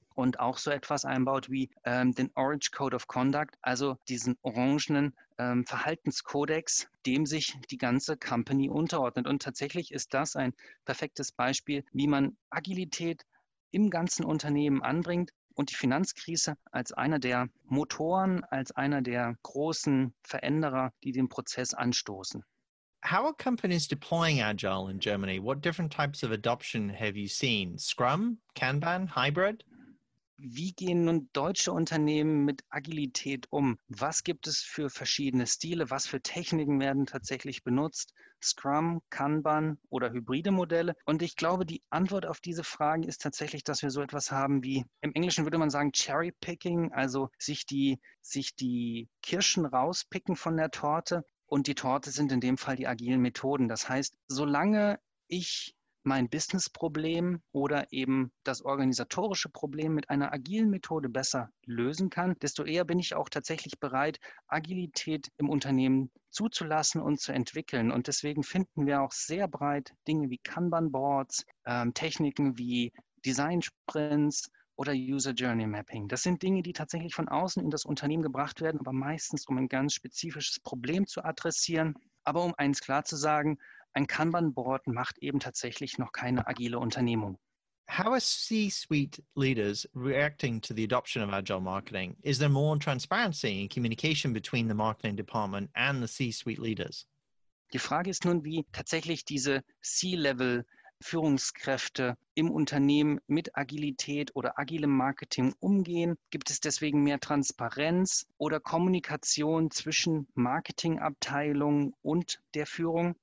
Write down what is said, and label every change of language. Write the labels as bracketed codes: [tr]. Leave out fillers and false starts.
[de] Und auch so etwas einbaut wie den Orange Code of Conduct, also diesen orangenen Verhaltenskodex, dem sich die ganze Company unterordnet. Und tatsächlich ist das ein perfektes Beispiel, wie man Agilität im ganzen Unternehmen anbringt und die Finanzkrise als einer der Motoren, als einer der großen Veränderer, die den Prozess anstoßen. [en] How are companies deploying Agile in Germany? What different types of adoption have you seen? Scrum, Kanban, Hybrid? [de] Wie gehen nun deutsche Unternehmen mit Agilität um? Was gibt es für verschiedene Stile? Was für Techniken werden tatsächlich benutzt? Scrum, Kanban oder hybride Modelle? Und ich glaube, die Antwort auf diese Fragen ist tatsächlich, dass wir so etwas haben wie, im Englischen würde man sagen, Cherry-Picking, also sich die Kirschen rauspicken von der Torte. Und die Torte sind in dem Fall die agilen Methoden. Das heißt, solange ich mein Business-Problem oder eben das organisatorische Problem mit einer agilen Methode besser lösen kann, desto eher bin ich auch tatsächlich bereit, Agilität im Unternehmen zuzulassen und zu entwickeln. Und deswegen finden wir auch sehr breit Dinge wie Kanban-Boards, Techniken wie Design-Sprints oder User-Journey-Mapping. Das sind Dinge, die tatsächlich von außen in das Unternehmen gebracht werden, aber meistens, um ein ganz spezifisches Problem zu adressieren. Aber um eins klar zu sagen, ein Kanban-Board macht eben tatsächlich noch keine agile Unternehmung. [en] How are C-suite leaders reacting to the adoption of agile marketing? Is there more transparency in communication between the marketing department and the C-suite leaders? [de] Die Frage ist nun, wie tatsächlich diese C-Level-Führungskräfte im Unternehmen mit Agilität oder agilem Marketing umgehen. Gibt es deswegen mehr Transparenz oder Kommunikation zwischen Marketingabteilung und der Führung?